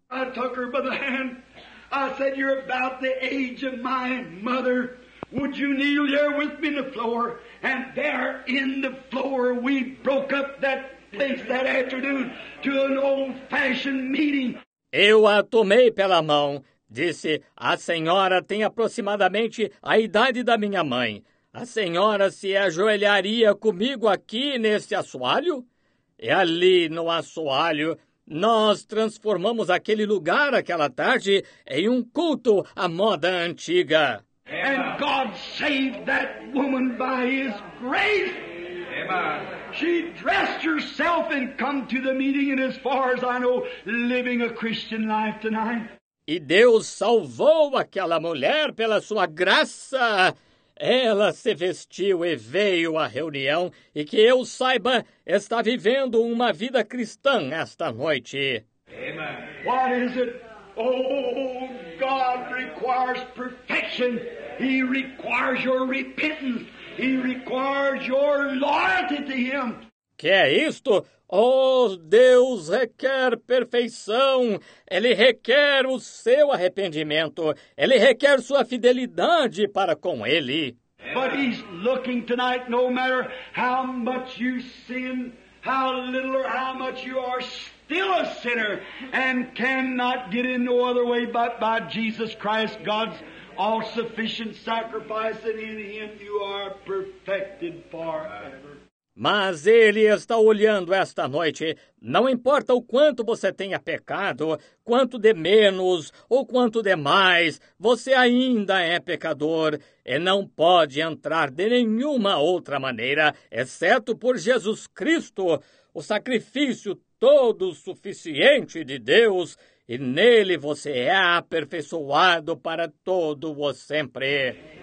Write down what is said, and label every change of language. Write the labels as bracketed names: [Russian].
[English] I took her by the hand. I said, you're about the age of my mother. Would you kneel there with me in the floor? And there in the floor, we broke up that place that afternoon to an old-fashioned meeting. [Portuguese] Eu a tomei pela mão. Disse, a senhora tem aproximadamente a idade da minha mãe. A senhora se ajoelharia comigo aqui neste assoalho? E ali no assoalho, nós transformamos aquele lugar aquela tarde em um culto à moda antiga. [English] And God saved that woman by his grace. Amen. She dressed herself and come to the meeting and as far as I know, living a Christian life tonight. [Portuguese] E Deus salvou aquela mulher pela sua graça. Ela se vestiu e veio à reunião, e que eu saiba, está vivendo uma vida cristã esta noite. Amen. [English] What is it? Oh, God requires perfection. He requires your repentance. He requires your loyalty to him. [Portuguese] Que é isto? Oh, Deus requer perfeição. Ele requer o seu arrependimento. Ele requer sua fidelidade para com ele. [English] But he's looking tonight, no matter how much you sin, how little or how much you are still a sinner and cannot get in no other way but by Jesus Christ, God's all-sufficient sacrifice, and in him you are perfected forever. [Portuguese] Mas ele está olhando esta noite. Não importa o quanto você tenha pecado, quanto de menos ou quanto de mais, você ainda é pecador e não pode entrar de nenhuma outra maneira, exceto por Jesus Cristo, o sacrifício todo suficiente de Deus, e nele você é aperfeiçoado para todo o sempre.